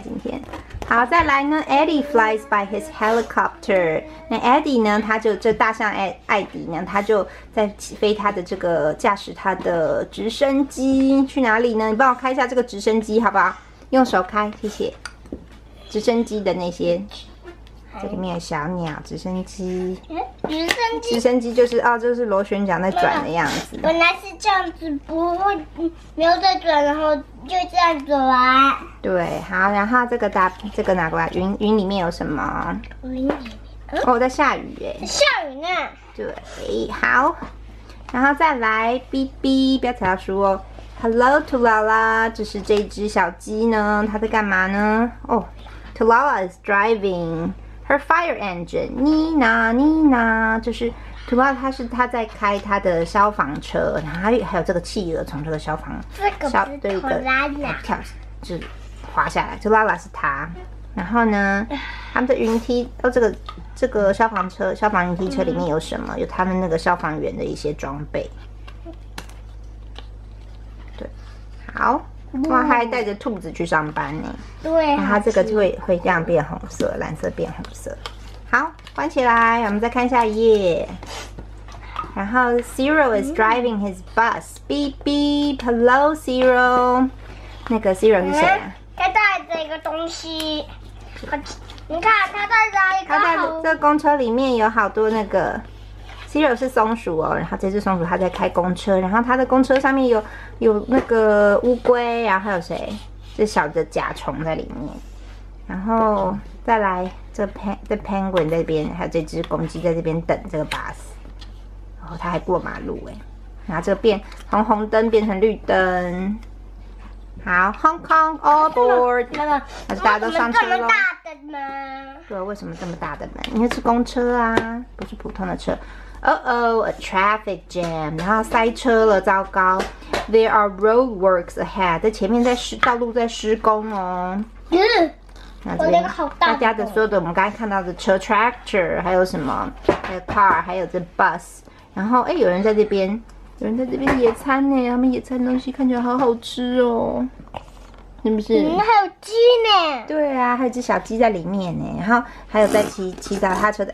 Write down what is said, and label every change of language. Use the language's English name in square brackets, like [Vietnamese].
[Chinese] 今天，好，再来呢 [English] ？Eddie flies by his helicopter。 [Chinese] 那 Eddie 呢？他就这大象艾迪呢？他就在飞他的这个驾驶他的直升机去哪里呢？你帮我开一下这个直升机好不好？用手开，谢谢。直升机的那些，这里面有小鸟，直升机，直升机就是啊，就是螺旋桨在转的样子。本来是这样子，不会没有在转，然后就这样子玩。对，好，然后这个拿过来，云里面有什么？云里面，哦，在下雨耶，下雨呢。对，好，然后再来，哔哔，不要踩到书哦。 Hello， 兔拉拉，这是这只小鸡呢，它在干嘛呢？哦。 [English] Tulala is driving her fire engine. [Chinese] Nina, Nina, 就是 Tulala， 她在开她的消防车，然后还有这个企鹅从这个消防这个跳，就是滑下来。Tulala 是她，然后呢，他们的云梯，哦，这个消防车，消防云梯车里面有什么？有他们那个消防员的一些装备。对，好，哇，还带着兔子去上班呢。对，然后这个就会这样变红色，蓝色变红色。好，关起来，我们再看下一页。 [English] 然后 Zero is driving his bus. Beep beep. Hello, Zero. [Chinese] 那个 Zero 是谁啊？他带着一个东西。你看，他带着一个。他在这个公车里面有好多那个 Zero 是松鼠哦。然后这只松鼠他在开公车，然后他的公车上面有那个乌龟，然后还有谁？这小的甲虫在里面。然后再来这 penguin 在这边，还有这只公鸡在这边等这个 bus。哦，他还过马路哎，然后这个变从红灯变成绿灯。 [English] 好 ，Hong Kong all aboard。 [Chinese] 那个，那就大家都上车喽。为什么这么大的门？对，为什么这么大的门？因为是公车啊，不是普通的车。 [English] A traffic jam， [Chinese] 然后塞车了，糟糕。 [English] There are road works ahead， [Chinese] 在前面道路在施工哦。那这边大家的所有的我们刚才看到的车 tractor， 还有什么？还有 car， 还有这 bus。然后哎，有人在这边。有人在这边野餐呢，他们野餐的东西看起来好好吃哦，是不是？还有鸡呢。对啊，还有只小鸡在里面呢，然后还有在骑脚踏车的。